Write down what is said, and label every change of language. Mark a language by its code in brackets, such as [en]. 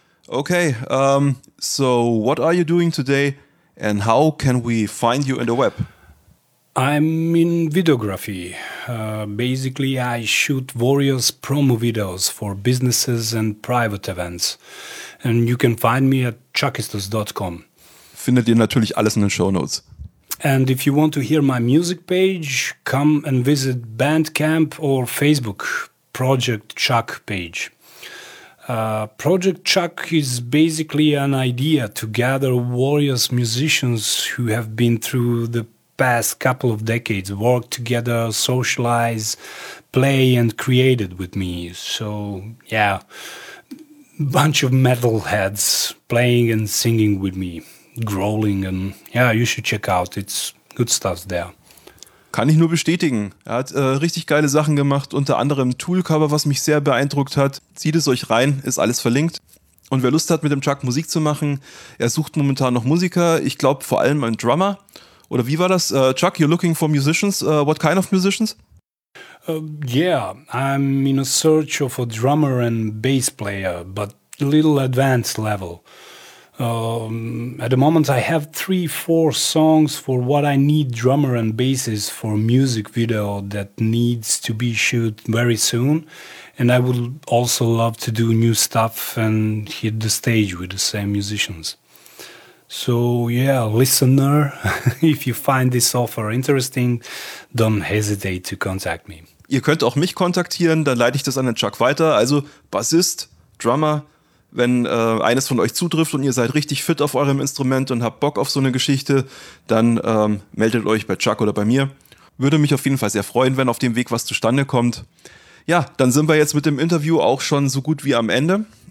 [en] Okay, so what are you doing today and how can we find you in the web? I'm in videography. Basically, I shoot various promo videos for businesses and private events. And you can find me at chuckistus.com. [de] Findet ihr natürlich alles in den Shownotes. [en] And if you want to hear my music page, come and visit Bandcamp or Facebook Project Chuck page. Project Chuck is basically an idea to gather various musicians who have been through the past couple of decades, work together, socialize, play and created with me. So, yeah, bunch of metalheads playing and singing with me, growling, and yeah, you should check out, it's good stuff there. [de] Kann ich nur bestätigen. Er hat richtig geile Sachen gemacht, unter anderem Tool-Cover, was mich sehr beeindruckt hat. Zieht es euch rein, ist alles verlinkt. Und wer Lust hat, mit dem Chuck Musik zu machen, er sucht momentan noch Musiker. Ich glaube vor allem einen Drummer. Oder wie war das? [en] Chuck, you're looking for musicians. What kind of musicians? I'm in a search of a drummer and bass player, but little advanced level. At the moment I have 3-4 songs for what I need drummer and bassist for music video that needs to be shoot very soon, and I would also love to do new stuff and hit the stage with the same musicians. So yeah, listener, if you find this offer interesting, don't hesitate to contact me. [de] Ihr könnt auch mich kontaktieren, dann leite ich das an den Chuck weiter, also Bassist, Drummer. Wenn eines von euch zutrifft und ihr seid richtig fit auf eurem Instrument und habt Bock auf so eine Geschichte, dann meldet euch bei Chuck oder bei mir. Würde mich auf jeden Fall sehr freuen, wenn auf dem Weg was zustande kommt. Ja, dann sind wir jetzt mit dem Interview auch schon so gut wie am Ende.